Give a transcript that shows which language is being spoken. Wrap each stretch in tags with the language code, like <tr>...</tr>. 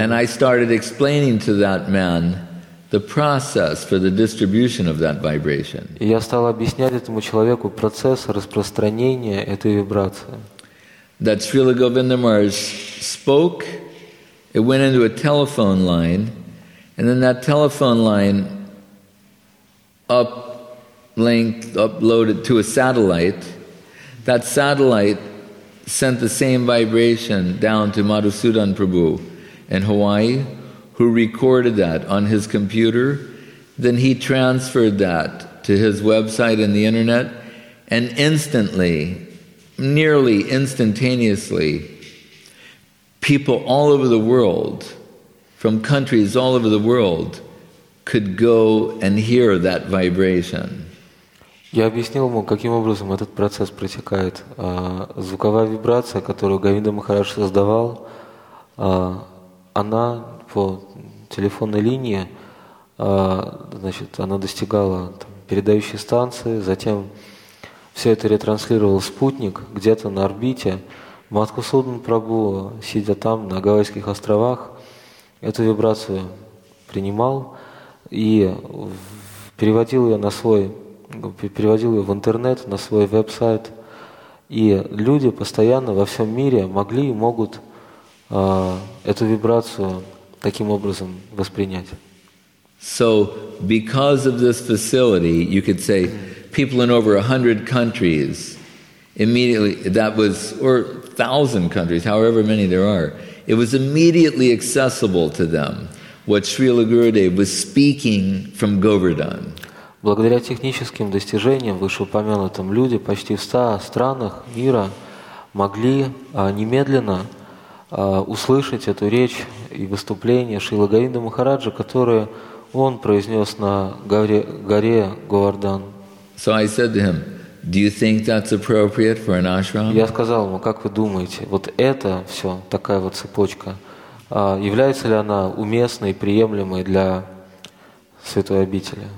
<en>And I started explaining to that man the process for the distribution of that vibration.</en> <ru>И я стал объяснять этому человеку процесс распространения этой вибрации.</ru> <en>That Srila Govinda Maharaj spoke, it went into a telephone line, and then that telephone line uploaded to a satellite. That satellite sent the same vibration down to Madhusudan Prabhu in Hawaii, who recorded that on his computer. Then he transferred that to his website and the internet, and instantly, nearly instantaneously, people all over the world, from countries all over the world, could go and hear that vibration.</en> <ru>Я объяснил ему, каким образом этот процесс протекает. Звуковая вибрация, которую Говинда Махарадж создавал, она по телефонной линии, она достигала передающей станции, затем все это ретранслировал спутник где-то на орбите. Матку Судан Прабу, сидя там, на Гавайских островах, эту вибрацию принимал и переводил ее на свой, переводил ее в интернет, на свой веб-сайт. И люди постоянно во всем мире могли и могут эту вибрацию таким образом воспринять.</ru> <en>So, because of this facility, you could say people in over 100 countries immediately, that was, or 1,000 countries, however many there are, it was immediately accessible to them what Srila Gurudev was speaking from Govardhan.</en> <ru>Благодаря техническим достижениям, вышеупомянутым, люди почти в 100 странах мира могли немедленно услышать эту речь и выступление Шрилы Говинды Махараджа, которое он произнес на горе Говардан.</ru> <en>So I said to him, do you think that's appropriate for an ashram?</en> <ru>Я сказал ему, как вы думаете, вот это все, такая вот цепочка, является ли она уместной и приемлемой для святой обители?</ru>